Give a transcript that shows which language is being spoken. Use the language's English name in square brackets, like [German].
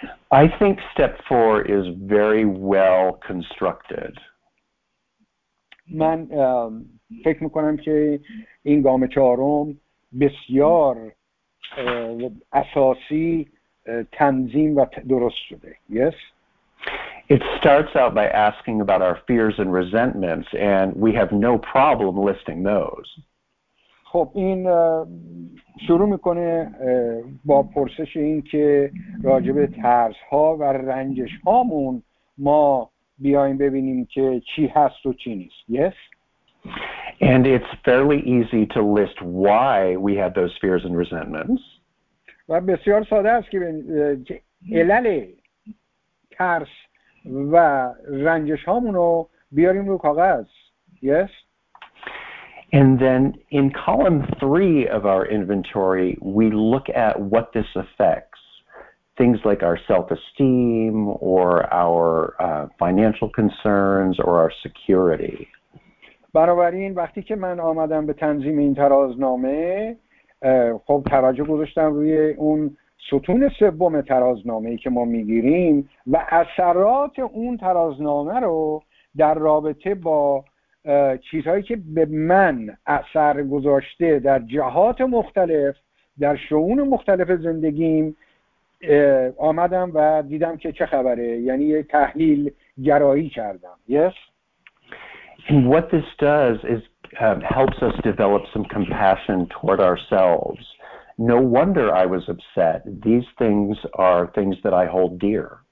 [English] I think step 4 is very well constructed. [Persian] من فکر میکنم که این گام چهارم بسیار اساسی تنظیم و درست شده. [English] Yes? It starts out by asking about our fears and resentments, and we have no problem listing those. [Persian] خب این شروع میکنه با پرسش این که راجب ترس‌ها و رنجش‌هامون ما بیایم ببینیم که چی هست و چی نیست. [English] Yes? And it's fairly easy to list why we have those fears and resentments. [Persian] و بسیار ساده است که علل ترس و رنجش‌هامون رو بیاریم رو کاغذ. [English] Yes? And then in column 3 of our inventory, we look at what this affects. Things like our self-esteem or our financial concerns or our security. [Persian] بنابراین وقتی که من آمدم به تنظیم این ترازنامه، خب توجه گذاشتم روی اون ستون سوم ترازنامه‌ای که ما می‌گیریم و اثرات اون ترازنامه رو در رابطه با چیزهایی که به من اثر گذاشته در جهات مختلف در شئون مختلف زندگیم آمدم و دیدم که چه خبره، یعنی یه تحلیل گرایی کردم. [English] Yes? And what this does is helps us develop some compassion toward ourselves. No wonder I was upset. These things are things that I hold dear.